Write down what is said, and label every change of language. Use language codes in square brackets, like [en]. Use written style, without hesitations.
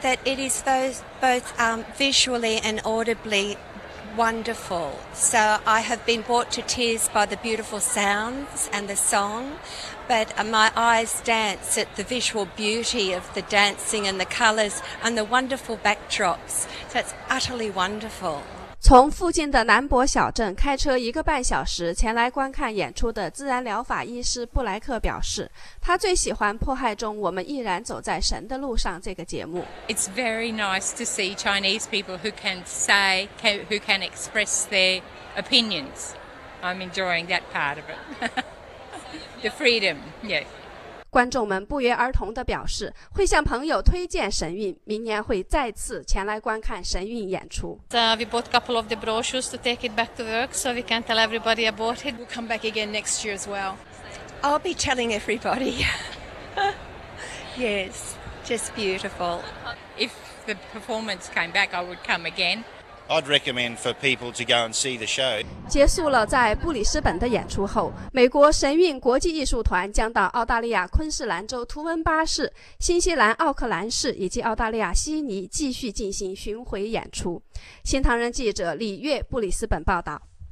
[en] That it is both visually and audibly wonderful. So I have been brought to tears by the beautiful sounds and the song, but my eyes dance at the visual beauty of the dancing and the colors and the wonderful backdrops. So it's utterly wonderful. [zh] 从附近的南博小镇开车一个半小时前来观看演出的自然疗法医师布莱克表示，他最喜欢《迫害中我们依然走在神的路上》这个节目。 [en] It's very nice to see Chinese people who can say, who can express their opinions. I'm enjoying that part of it. The freedom, yes. [zh] 观众们不约而同地表示，会向朋友推荐神韵，明年会再次前来观看神韵演出。 [en] We bought a couple of the brochures to take it back to work, so we can tell everybody about it. We'll come back again next year as well. I'll be telling everybody. Yes, just beautiful. If the performance came back, I would come again. I'd recommend for people to go and see the show. [zh] 结束了在布里斯本的演出后，美国神韵国际艺术团将到澳大利亚昆士兰州图文巴市、新西兰奥克兰市以及澳大利亚悉尼继续进行巡回演出。新唐人记者李月布里斯本报道。